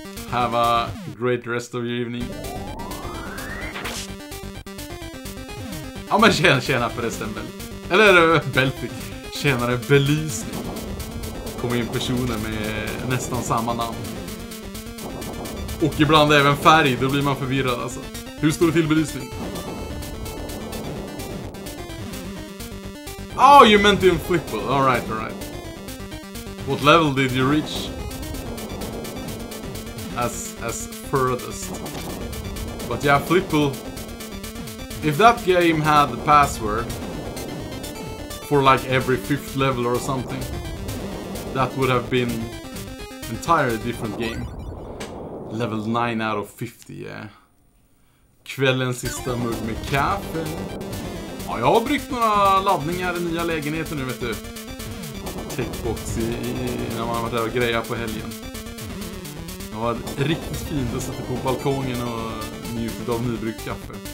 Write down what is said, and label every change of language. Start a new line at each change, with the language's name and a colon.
English: Have a great rest of your evening.
Swedish: Ja, men tjena förresten, Bell. Eller Belthic. Tjenare Belysning. Kommer in personer med nästan samma namn. Och ibland även färg, då blir man förvirrad alltså. Hur står det till Belysning?
English: Oh, you meant in Flipple. Alright, alright. What level did you reach? As furthest. But yeah, Flipple. If that game had the password for like every fifth level or something, that would have been an entirely different game. Level 9 out of 50, yeah.
Swedish: Kvällens sista mugg med kaffe. Ja, jag har bryggt några laddningar i nya lägenheten nu, vet du. Techbox när man har varit där och grejat på helgen. Det var riktigt fint att sätta på balkongen och njuta av nybryggt kaffe.